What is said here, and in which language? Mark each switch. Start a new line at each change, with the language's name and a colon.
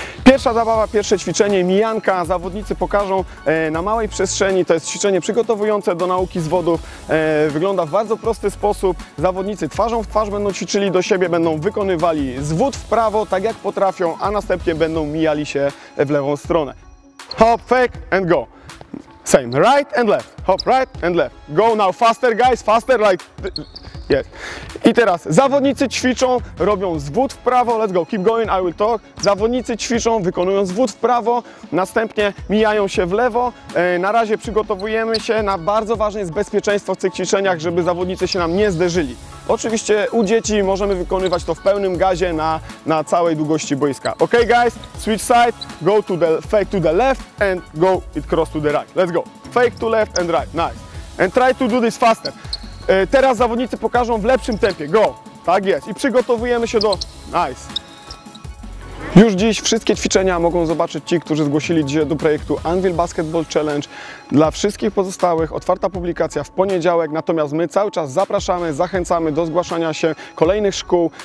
Polish: Pierwsza zabawa, pierwsze ćwiczenie, mijanka. Zawodnicy pokażą na małej przestrzeni. To jest ćwiczenie przygotowujące do nauki zwodów. Wygląda w bardzo prosty sposób. Zawodnicy twarzą w twarz będą ćwiczyli do siebie, będą wykonywali zwód w prawo, tak jak potrafią, a następnie będą mijali się w lewą stronę.
English: Hop, fake and go. Same, right and left, hop, right and left. Go now, faster guys, faster, like, yes.
Polish: I teraz, zawodnicy ćwiczą, robią zwód w prawo,
English: let's go, keep going, I will talk.
Polish: Zawodnicy ćwiczą, wykonują zwód w prawo, następnie mijają się w lewo. Na razie przygotowujemy się, na bardzo ważne jest bezpieczeństwo w tych ćwiczeniach, żeby zawodnicy się nam nie zderzyli. Oczywiście u dzieci możemy wykonywać to w pełnym gazie na całej długości boiska.
English: Ok guys, switch side, go to the fake to the left and go it cross to the right. Let's go. Fake to left and right, nice. And try to do this faster.
Polish: Teraz zawodnicy pokażą w lepszym tempie,
English: go.
Polish: Tak jest. I przygotowujemy się do... nice. Już dziś wszystkie ćwiczenia mogą zobaczyć ci, którzy zgłosili się do projektu Anvil Basketball Challenge. Dla wszystkich pozostałych otwarta publikacja w poniedziałek, natomiast my cały czas zapraszamy, zachęcamy do zgłaszania się kolejnych szkół.